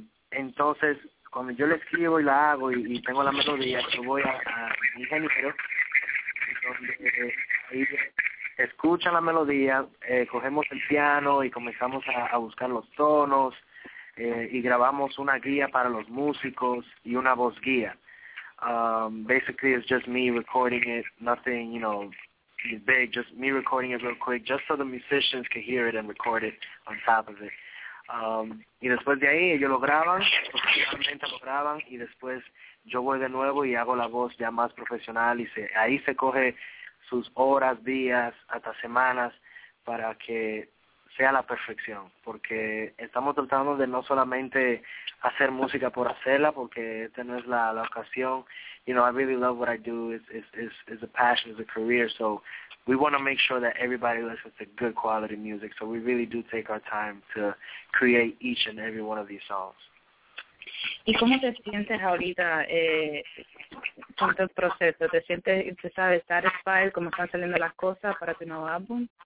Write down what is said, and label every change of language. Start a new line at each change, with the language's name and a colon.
Spanish: Entonces, cuando yo la escribo y la hago y tengo la melodía, yo voy a mi ingeniero, donde escuchan la melodía, cogemos el piano y comenzamos a buscar los tonos, y grabamos una guía para los músicos y una voz guía.
English: Basically, it's just me recording it, nothing, you know, big, just me recording it real quick, just so the musicians can hear it and record it on top of it.
Spanish: Y después de ahí ellos lo graban, profesionalmente lo graban, y después yo voy de nuevo y hago la voz ya más profesional, y ahí se coge sus horas, días, hasta semanas, para que sea la perfección, porque estamos tratando de no solamente hacer música por hacerla, porque esta no es la ocasión.
English: You know, I really love what I do. It's a passion, it's a career, so we want to make sure that everybody listens to good quality music, so we really do take our time to create each and every one of these songs.
Spanish: ¿Y cómo te sientes ahorita con el proceso? ¿Te sientes, tú sabes, satisfied, cómo están saliendo las cosas para tu nuevo álbum?